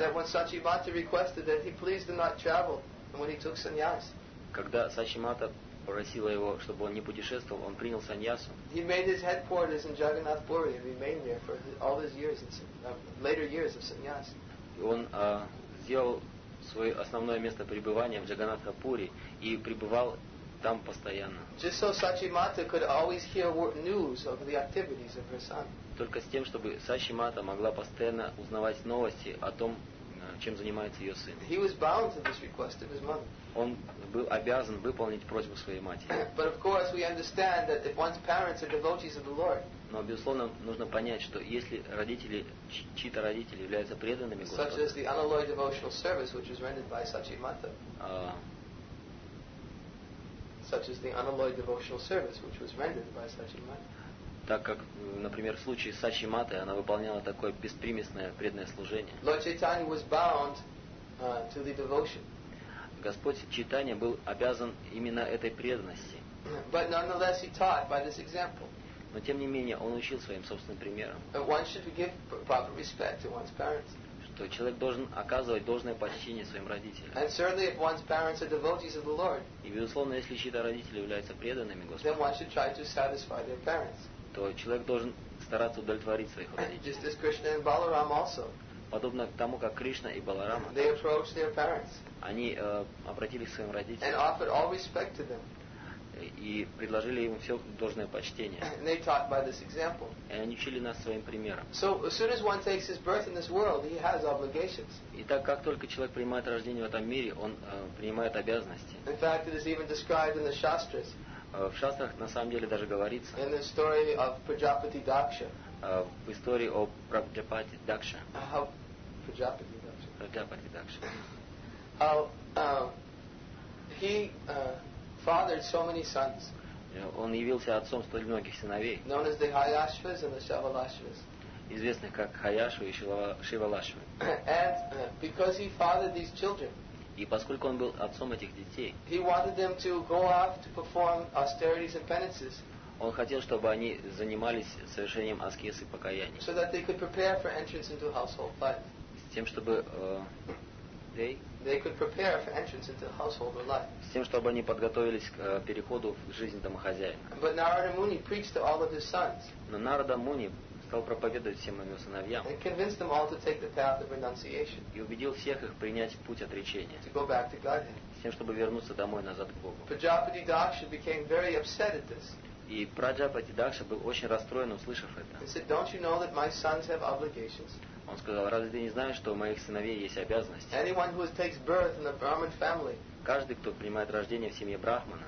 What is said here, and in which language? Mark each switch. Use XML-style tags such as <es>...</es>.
<en>That when Satchimata requested that he please do not travel when he took sannyas.</en> <ru>Когда Сачимата просила его, чтобы он не путешествовал, он принял саньясу.</ru> <en>He made his headquarters in Jagannath Puri and remained there for all his years, later years of sannyas.</en> <ru>Он сделал свое основное место пребывания в Джаганнатха Пури и пребывал там постоянно.</ru> <en>Just so Сачимата could always hear news of the activities of her son.</en> <ru>Только с тем, чтобы Сачимата могла постоянно узнавать новости о том, чем занимается ее сын.</ru> <en>He was bound to this request of his mother.</en> <ru>Он был обязан выполнить просьбу своей матери.</ru> <en>But of course we understand that if one's parents are devotees of the Lord.</en> <ru>Но безусловно нужно понять, что если родители, чьи-то родители являются преданными Господу.</ru> <en>Such as the unalloyed devotional service which is rendered by Sachimata. Such as the unalloyed devotional service which was rendered by Sachimata.</en> <ru>Так как, например, в случае с Сачимата она выполняла такое беспримесное преданное служение.</ru> <en>Lord Chaitanya was bound to the devotion.</en> <ru>Господь Чайтанья был обязан именно этой преданности.</ru> <en>But nonetheless he taught by this example.</en> <ru>Но тем не менее он учил своим собственным примером.</ru> <en>One should give proper respect to one's parents.</en> <ru>Что человек должен оказывать должное почтение своим родителям.</ru> <en>And certainly if one's parents are devotees of the Lord.</en> <ru>И безусловно, если чьи-то родители являются преданными Господу.</ru> <en>Then one should try to satisfy their parents.</en> <ru>То человек должен стараться удовлетворить своих родителей.</ru> <en>Just as Krishna and Balaram also.</en> <ru>Подобно тому, как Кришна и Баларама,</ru> <en>they approached their parents.</en> <ru>Они обратились к своим родителям.</ru> <en>And offered all respect to them.</en> <ru>И предложили им все должное почтение.</ru> <en>And they taught by this example.</en> <ru>И они учили нас своим примером.</ru> <en>So as soon as one takes his birth in this world, he has obligations.</en> <ru>Итак, как только человек принимает рождение в этом мире, он принимает обязанности.</ru> <en>In fact, it is even described in the Shastras.</en> <ru>В шастрах на самом деле даже говорится.</ru> <en>In the story of Prajapati Daksha.</en> <ru>В истории о Праджапати Дакша.</ru> <en>How Prajapati Daksha.</en> <ru>Праджапати Дакша.</ru> <en>How he fathered so many sons.</en> <ru>Он явился отцом столь многих сыновей.</ru> <en>Known as the Hayashvas and the Shivalashvas.</en> <ru>Известных как Хаяшвы и Шивалашвы.</ru> <en>And because he fathered these children.</en> <ru>И поскольку он был отцом этих детей.</ru> <en>He wanted them to go off to perform austerities and penances.</en> <ru>Он хотел, чтобы они занимались совершением аскез и покаяния.</ru> <en>So that they could prepare for entrance into household life.</en> <ru>С тем, чтобы</ru> <en>they could prepare for entrance into household life.</en> <ru>С тем, чтобы они подготовились к переходу в жизнь домохозяина.</ru> <en>But Narada Muni preached to all of his sons.</en> <ru>Но Нарада Муни стал проповедовать всем его сыновьям.</ru> <en>And convinced them all to take the path of renunciation.</en> <ru>И убедил всех их принять путь отречения.</ru> <en>To go back to Godhead.</en> <ru>С тем, чтобы вернуться домой назад к Богу.</ru> <en>Prajapati Daksha became very upset at this.</en> <ru>И Праджапати Дакша был очень расстроен, услышав это.</ru> <en>He said, "Don't you know that my sons have obligations?"</en> <ru>Он сказал, разве ты не знаешь, что у моих сыновей есть обязанности?</ru> <en>Anyone who takes birth in a Brahmin family,</en> <ru>каждый, кто принимает рождение в семье Брахмана,</ru>